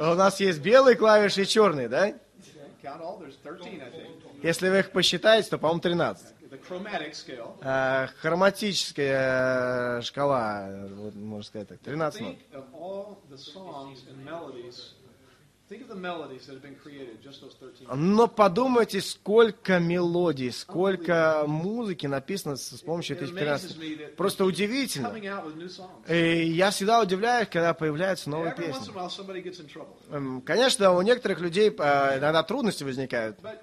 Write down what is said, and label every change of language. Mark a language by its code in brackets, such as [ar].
[ru] У нас есть белые клавиши и черные, да? [en] Count all, there's 13, I think. [ru] Если вы их посчитаете, то, по-моему, 13. [en] The chromatic scale. [ru] Хроматическая шкала, вот, можно сказать так, 13 нот. [en] Think of all the songs and melodies. Think of the melodies that have been created, just those 13. [ru] Но подумайте, сколько мелодий, сколько музыки написано с помощью этих 13. Просто удивительно. И я всегда удивляюсь, когда появляются новые песни. Конечно, у некоторых людей иногда трудности возникают.